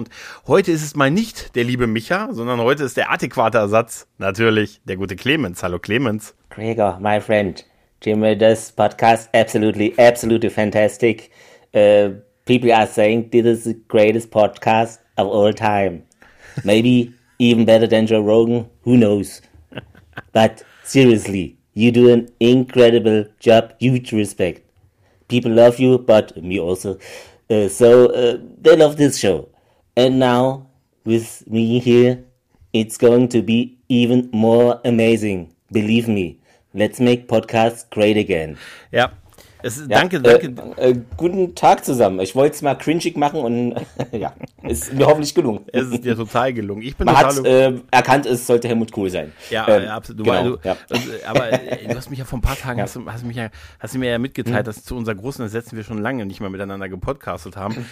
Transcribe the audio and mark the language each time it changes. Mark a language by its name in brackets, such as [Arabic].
[German] Und heute ist es mal nicht der liebe Micha, sondern heute ist der adäquate Ersatz natürlich der gute Clemens. Hallo Clemens. [English] Gregor, my friend. Jimmy, this podcast absolutely, absolutely fantastic. People are saying this is the greatest podcast of all time. Maybe even better than Joe Rogan, who knows. But seriously, you do an incredible job. Huge respect. People love you, but me also. So they love this show. And now, with me here, it's going to be even more amazing. Believe me. Let's make podcasts great again. [German] Ja, es ist, ja, danke. Guten Tag zusammen. Ich wollte es mal cringig machen und ja, ist mir hoffentlich gelungen. Es ist dir total gelungen. Ich bin man total hat erkannt, es sollte Helmut Kohl sein. Ja, absolut. Genau, du hast mich ja vor ein paar Tagen, hast du mir ja mitgeteilt, dass zu unserer großen Ersetzung wir schon lange nicht mehr miteinander gepodcastet haben.